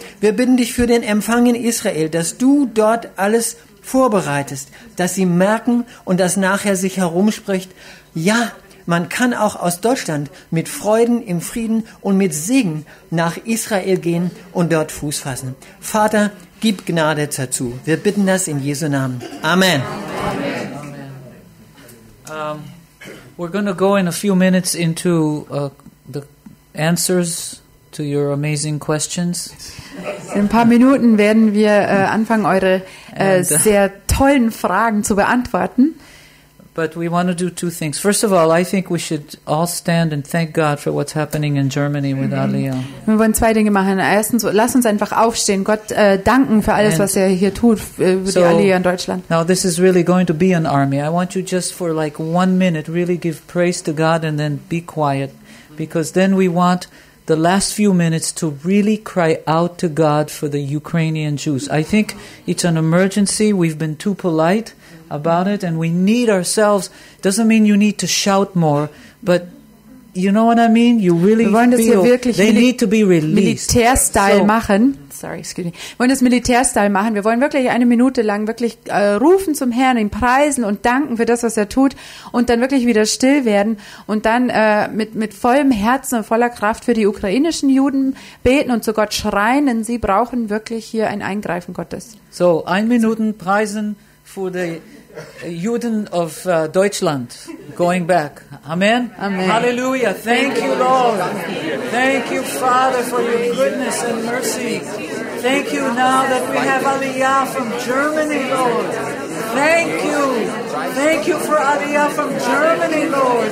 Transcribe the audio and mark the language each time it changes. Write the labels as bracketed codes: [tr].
[de] Wir bitten dich für den Empfang in Israel, dass du dort alles vorbereitest, dass sie merken und dass nachher sich herumspricht, ja, man kann auch aus Deutschland mit Freuden, im Frieden und mit Segen nach Israel gehen und dort Fuß fassen. Vater, gib Gnade dazu. Wir bitten das in Jesu Namen. Amen. [en] We're going to go in a few minutes into the answers to your amazing questions. [de] In ein paar Minuten werden wir anfangen, eure sehr tollen Fragen zu beantworten. [en] But we want to do two things. First of all, I think we should all stand and thank God for what's happening in Germany with Aliyah. [de] Wir wollen zwei Dinge machen. Erstens, lass uns einfach aufstehen, Gott danken für alles, was er hier tut für die Aliyah in Deutschland. [en] Now this is really going to be an army. I want you just for like 1 minute really give praise to God and then be quiet, because then we want the last few minutes to really cry out to God for the Ukrainian Jews. I think it's an emergency. We've been too polite about it, and we need ourselves. Doesn't mean you need to shout more, but you know what I mean? You really feel they need to be released. [de] Militärstyle machen. [en] Sorry, excuse me. [de] Wir wollen das Militärstyle machen. Wir wollen wirklich eine Minute lang wirklich rufen zum Herrn, ihn preisen und danken für das, was er tut, und dann wirklich wieder still werden und dann mit vollem Herzen und voller Kraft für die ukrainischen Juden beten und zu Gott schreien, denn sie brauchen wirklich hier ein Eingreifen Gottes. So, 1 Minute preisen für die Juden of Deutschland [en] going back. [de] Amen. Amen. [en] Hallelujah. Thank you, Lord. Thank you, Father, for your goodness and mercy. Thank you now that we have Aliyah from Germany, Lord. Thank you. Thank you for Aliyah from Germany, Lord.